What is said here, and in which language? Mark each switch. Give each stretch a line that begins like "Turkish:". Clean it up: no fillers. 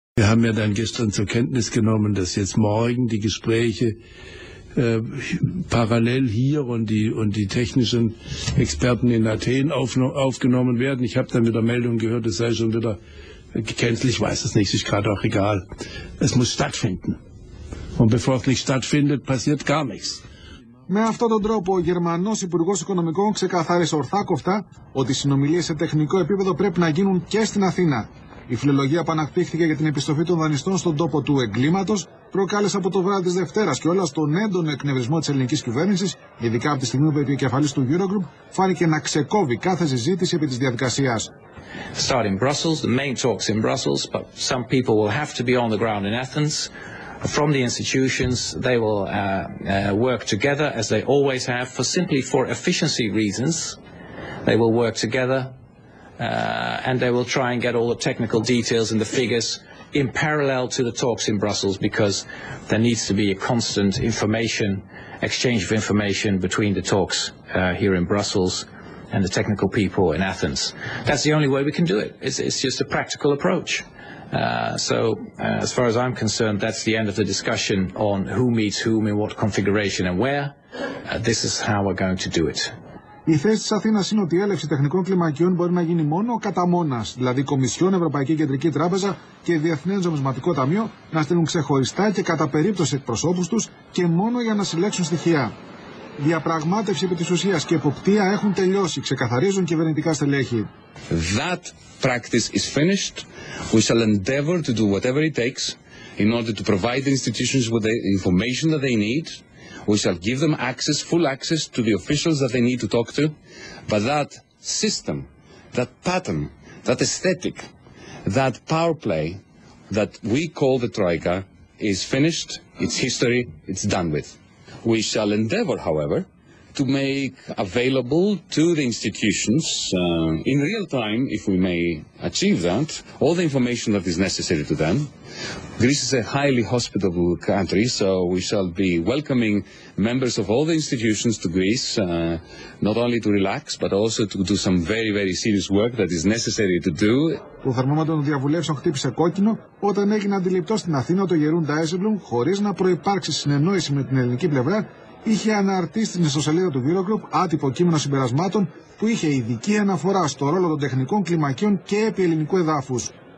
German: haben ja dann gestern zur Kenntnis genommen, dass jetzt morgen die Gespräche parallel hier und die technischen Experten in Athen aufgenommen werden. Ich habe dann wieder Meldungen gehört, es sei schon wieder gecancelt. Ich weiß es nicht, ist gerade auch egal. Es muss stattfinden. Und bevor es nicht stattfindet, passiert gar nichts.
Greek: Με αυτόν τον τρόπο, ο Γερμανός Υπουργός Οικονομικών ξεκαθάρισε ορθάκοφτα ότι οι συνομιλίες σε τεχνικό επίπεδο πρέπει να γίνουν και στην Αθήνα. Η φιλολογία που αναπτύχθηκε για την επιστροφή των δανειστών στον τόπο του εγκλήματος προκάλεσε από το βράδυ της Δευτέρας και όλα στον έντονο εκνευρισμό της ελληνικής κυβέρνησης, ειδικά από τη στιγμή που η επικεφαλής του Eurogroup φάνηκε να ξεκόβει κάθε συζήτηση επί της διαδικασίας.
English: Starting Brussels, the main talks in Brussels, but some people will have to be on the ground in Athens. From the institutions, they will work together as they always have, for simply for efficiency reasons. They will work together, and they will try and get all the technical details and the figures in parallel to the talks in Brussels, because there needs to be a constant information exchange of information between the talks here in Brussels and the technical people in Athens. That's the only way we can do it. It's just a practical approach. As far as I'm concerned, that's the end of the discussion on who meets whom in what configuration and where. This is how we're going to do it.
Greek: Η θέση της Αθήνας είναι ότι η έλευση τεχνικών κλιμακιών μπορεί να γίνει μόνο κατά μόνας, δηλαδή Κομισιόν, Ευρωπαϊκή Κεντρική Τράπεζα και Διεθνές Νομισματικό Ταμείο να στείλουν ξεχωριστά και κατά περίπτωση εκπροσώπους τους και μόνο για να συλλέξουν στοιχεία. Διαπραγμάτευση επί της ουσίας και εποπτεία έχουν τελειώσει, ξεκαθαρίζουν κυβερνητικά στελέχη.
English: That practice is finished. We shall endeavor to do whatever it takes in order to provide the institutions with the information that they need. We shall give them access, full access to the officials that they need to talk to. But that system, that pattern, that aesthetic, that power play that we call the Troika is finished. It's history. It's done with. We shall endeavor, however, to make available to the institutions, in real time, if we may achieve that, all the information that is necessary to them. Greece is a highly hospitable country, so we shall be welcoming members of all the institutions to Greece, not only to relax, but also to do some very, very serious work that is necessary to do.
Greek: Το θερμόμετρο των διαβουλεύσεων χτύπησε κόκκινο όταν έγινε αντιληπτό στην Αθήνα το Γερούντα Έζεμπλουμ, χωρίς να προϋπάρξει συνεννόηση με την ελληνική πλευρά, είχε αναρτήσει στην ιστοσελίδα του Eurogroup άτυπο κείμενο συμπερασμάτων που είχε ειδική αναφορά στο ρόλο των τεχνικών κλιμακίων και επί ελληνικού εδάφους.